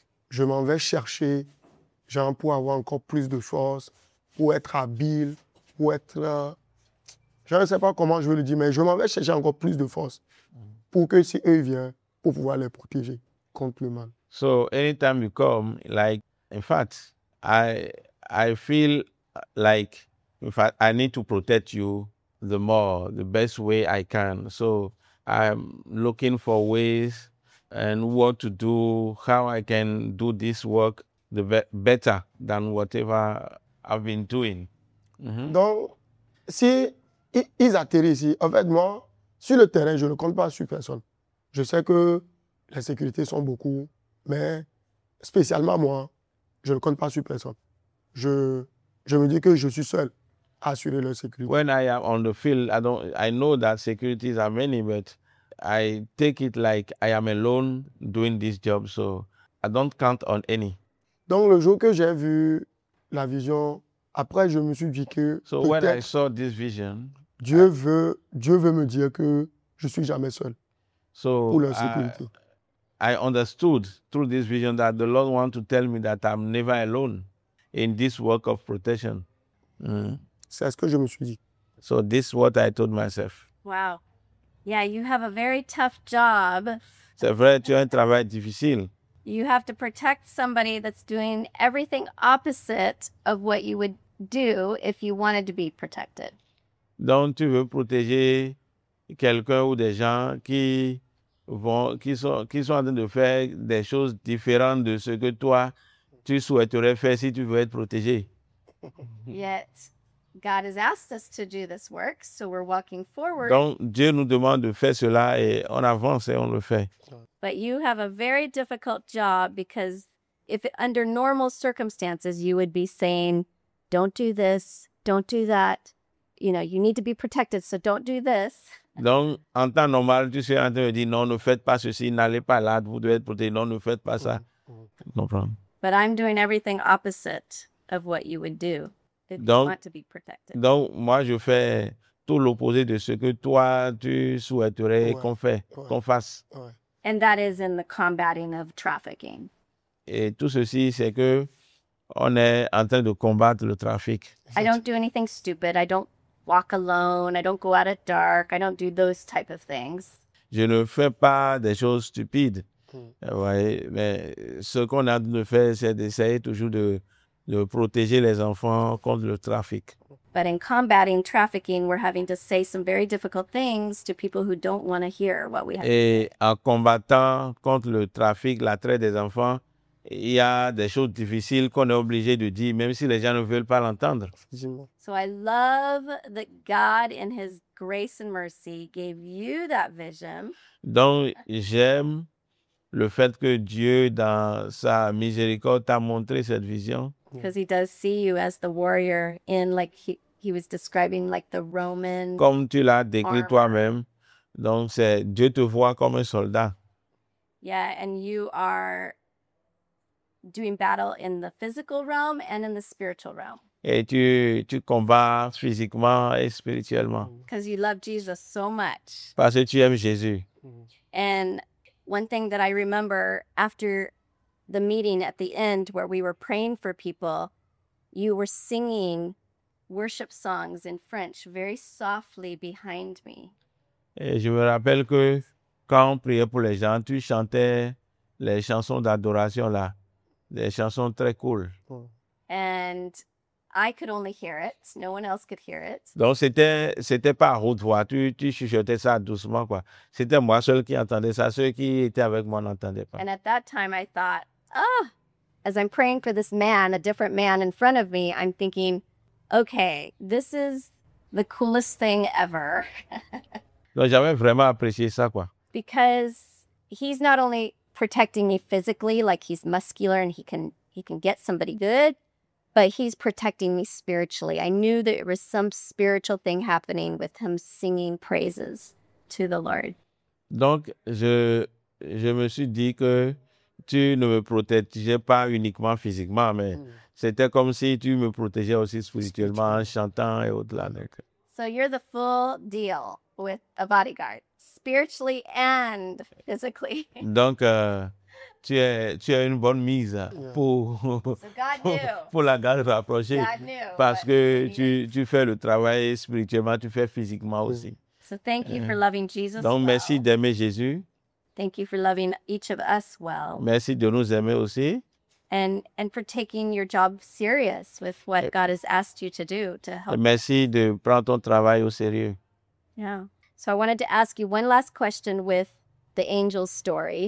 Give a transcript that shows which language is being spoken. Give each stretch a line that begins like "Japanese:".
French: Je m'en vais chercher, genre, pour avoir encore plus de force, pour être habile, pour être... Je ne sais pas comment je vais le dire, mais je m'en vais chercher encore plus de force pour que si eux viennent, pour pouvoir les protéger contre le mal.
English: So, anytime you come, like, in fact, I feel like, in fact, I need to protect you the more, the best way I can. So, I'm looking for ways and what to do, how I can do this work better than whatever I've been doing. Mm-hmm.
French: Donc, si ils atterrissent ici, en fait, moi, sur le terrain, je ne compte pas sur personne. Je sais que les sécurités sont beaucoup, mais spécialement moi, je ne compte pas sur personne. Je me dis que je suis seul. Assurer leur sécurité.
English: When I am on the field, I know that securities are many, but I take it like I am alone doing this job, so I don't count on any.
French: Donc le jour que j'ai vu la vision, après je me suis dit que.
English: So when I saw this vision,
French: Dieu veut me dire que je suis jamais seul.
English: So
French: pour leur sécurité.
English: I understood through this vision that the Lord wants to tell me that I'm never alone in this work of protection.
French: Mm. C'est ce que je me suis dit.
English: So this is what I told myself. Wow. Yeah, you have a very tough job.
French: C'est vrai, tu as un travail difficile.
English: You have to protect somebody that's doing everything opposite of what you would do if you wanted to be protected.
French: Donc tu veux protéger quelqu'un ou des gens qui sont en train de faire des choses différentes de ce que toi tu souhaiterais faire si tu veux être protégé.
English: Yet God has asked us to do this work, so we're walking forward.
French: Donc, Dieu nous demande de faire cela et on avance et on le fait.
English: But you have a very difficult job because if under normal circumstances, you would be saying, don't do this, don't do that. You know, you need to be protected, so don't do this.
French: Donc, en temps normal, tu serais en train de dire, non, ne faites pas ceci, n'allez pas là, vous devez être protégé, non, ne faites pas ça.
English: No problem. But I'm doing everything opposite of what you would do. Donc, you want to be protected.
French: Donc, moi, je fais tout l'opposé de ce que toi, tu souhaiterais qu'on fasse. Ouais.
English: And that is in the combating of trafficking.
French: Et tout ceci, c'est que on est en train de combattre le trafic.
English: I don't do anything stupid. I don't walk alone. I don't go out at dark. I don't do those type of things.
French: Je ne fais pas des choses stupides. Mm. Ouais, mais ce qu'on a de faire, c'est d'essayer toujours de protéger les enfants contre le trafic.
English: But in combating trafficking, we're having to say some very difficult things to people who don't want to hear what we have
French: et en combattant contre le trafic, l'attrait des enfants, il y a des choses difficiles qu'on est obligé de dire, même si les gens ne veulent pas l'entendre.
English: So I love that God in his grace and mercy gave you that vision.
French: Donc, j'aime le fait que Dieu, dans sa miséricorde, t'a montré cette vision.
English: Because he does see you as the warrior in, like, he was describing, like, the Roman armor.
French: Comme tu l'as décrit toi-même. Donc, c'est Dieu te voit comme un soldat.
English: Yeah, and you are doing battle in the physical realm and in the spiritual realm.
French: Et tu combats physiquement et spirituellement.
English: Because you love Jesus so much.
French: Parce que tu aimes Jésus. Mm-hmm.
English: And one thing that I remember after the meeting at the end where we were praying for people, you were singing worship songs in French very softly behind me.
French: Et je me rappelle que quand on priait pour les gens, tu chantais les chansons d'adoration là, des chansons très cool.
English: And I could only hear it. No one else could hear it.
French: Donc c'était pas à haute voix. Tu chuchotais ça doucement quoi. C'était moi seul qui entendais ça. Ceux qui étaient avec moi n'entendaient pas.
English: And at that time I thought, oh, as I'm praying for this man, a different man in front of me, I'm thinking, okay, this is the coolest thing ever.
French: Donc j'avais vraiment apprécié ça quoi.
English: Because he's not only protecting me physically, like he's muscular and he can get somebody good. But he's protecting me spiritually. I knew that it was some spiritual thing happening with him singing praises to the Lord.
French: Donc, je me suis dit que tu ne me protégeais pas uniquement physiquement, mais c'était comme si tu me protégeais aussi spirituellement en chantant et au-delà.
English: So you're the full deal with a bodyguard, spiritually and physically.
French: Donc, Tu es une bonne mise pour la garde rapprochée.
English: God knew,
French: parce que tu fais le travail spirituellement, tu fais physiquement aussi.
English: So thank you for loving Jesus.
French: Donc
English: well.
French: Merci d'aimer Jésus.
English: Thank you for loving each of us well.
French: Merci de nous aimer aussi.
English: And for taking your job serious with what God has asked you to do to help.
French: Merci de prendre ton travail au sérieux.
English: Yeah. So I wanted to ask you one last question with the angel's story.